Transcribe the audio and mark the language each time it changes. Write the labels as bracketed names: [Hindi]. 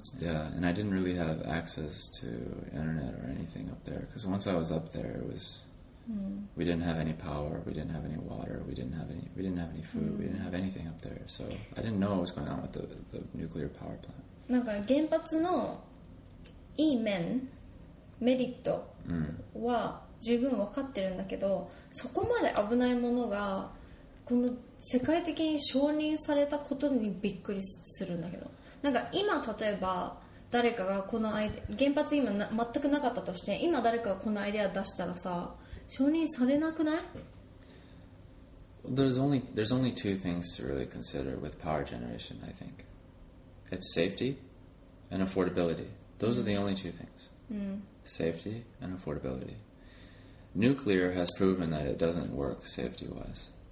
[English] Yeah, and I didn't really have access to internet or anything up there. Because once I was up there, it was... We didn't have any power, we didn't have any water, we didn't have any food, we didn't have anything up there. So I didn't know what was going on with the nuclear power plant. [Japanese] なんか原発のいい面、メリットは十分分かってるんだけど、そこまで危ないものがこの世界的に承認されたことにびっくりするんだけど。なんか今例えば誰かがこのアイデア、原発今全くなかったとして、今誰かがこのアイデア出したらさ、承認されなくない？ [English] There's only two things to really consider with power generation, I think. It's safety and affordability. Those are the only two things. Safety and affordability. Nuclear has proven that it doesn't work safety-wise.